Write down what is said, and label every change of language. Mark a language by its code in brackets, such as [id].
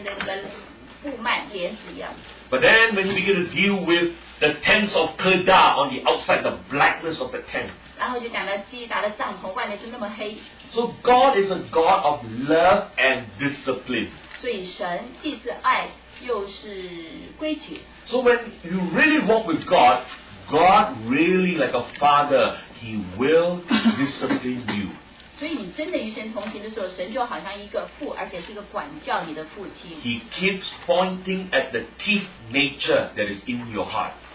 [zh] 所以你那么美，你就像那个布幔帘子一样。 [en] But then when you begin to deal with the tents of Kedah on the outside, the blackness of the tent. [zh] 然后就讲到基达的帐篷外面就那么黑。 [en] So God is a God of love and discipline. [zh] 所以神既是爱又是规矩。 [en] So when you really walk with God, God really, like a father, He will discipline you. He keeps pointing at the thief nature that is in your heart.